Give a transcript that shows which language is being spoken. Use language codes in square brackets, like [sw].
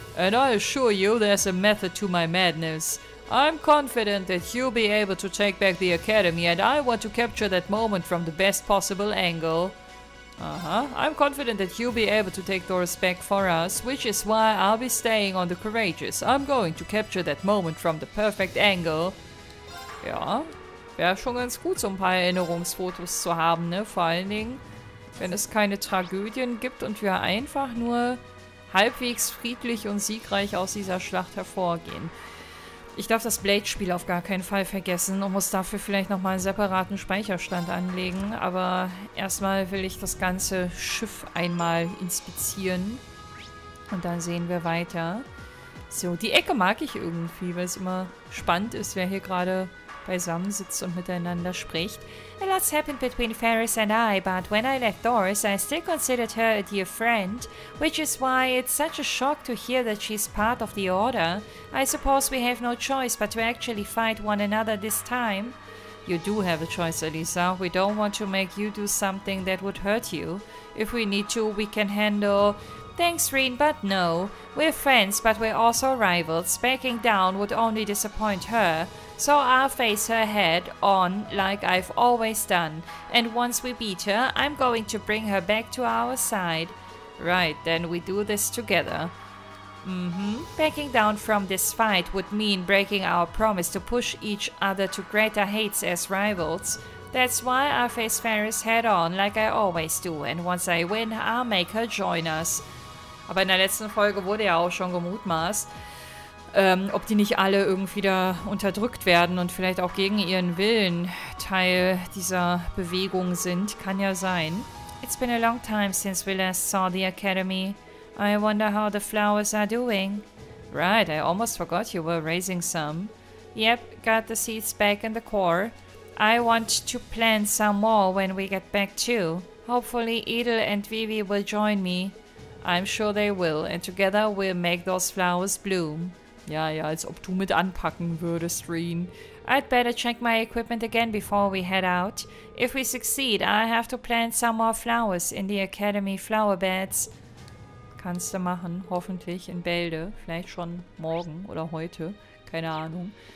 [en] And I assure you, there's a method to my madness. I'm confident that you'll be able to take back the Academy and I want to capture that moment from the best possible angle. Uh-huh. I'm confident that you'll be able to take Doris back for us, which is why I'll be staying on the Courageous. I'm going to capture that moment from the perfect angle. [de] Ja, wäre schon ganz gut, so ein paar Erinnerungsfotos zu haben, ne? Vor allen Dingen, wenn es keine Tragödien gibt und wir einfach nur halbwegs friedlich und siegreich aus dieser Schlacht hervorgehen. Ich darf das Blade-Spiel auf gar keinen Fall vergessen und muss dafür vielleicht nochmal einen separaten Speicherstand anlegen. Aber erstmal will ich das ganze Schiff einmal inspizieren. Und dann sehen wir weiter. So, die Ecke mag ich irgendwie, weil es immer spannend ist, wer hier gerade beisammen sitzt und miteinander spricht. [en] A lot's happened between Ferris and I, but when I left Doris, I still considered her a dear friend, which is why it's such a shock to hear that she's part of the Order. I suppose we have no choice but to actually fight one another this time. You do have a choice, Elisa. We don't want to make you do something that would hurt you. If we need to, we can handle... Thanks, Rin, but no. We're friends, but we're also rivals. Backing down would only disappoint her. So I'll face her head on, like I've always done. And once we beat her, I'm going to bring her back to our side. Right, then we do this together. Backing down from this fight would mean breaking our promise to push each other to greater heights as rivals. That's why I'll face Ferris head on, like I always do. And once I win, I'll make her join us. [de] Aber in der letzten Folge wurde ja auch schon gemutmaßt, ob die nicht alle irgendwie da unterdrückt werden und vielleicht auch gegen ihren Willen Teil dieser Bewegung sind. Kann ja sein. [en] It's been a long time since we last saw the Academy. I wonder how the flowers are doing. Right, I almost forgot you were raising some. Yep, got the seeds back in the core. I want to plant some more when we get back too. Hopefully Edel and Vivi will join me. I'm sure they will, and together we'll make those flowers bloom. [de] Ja, als ob du mit anpacken würdest, Rin. [en] I'd better check my equipment again before we head out. If we succeed, I have to plant some more flowers in the Academy flower beds. [de] Kannst du machen, hoffentlich in Bälde, vielleicht schon morgen oder heute, keine Ahnung.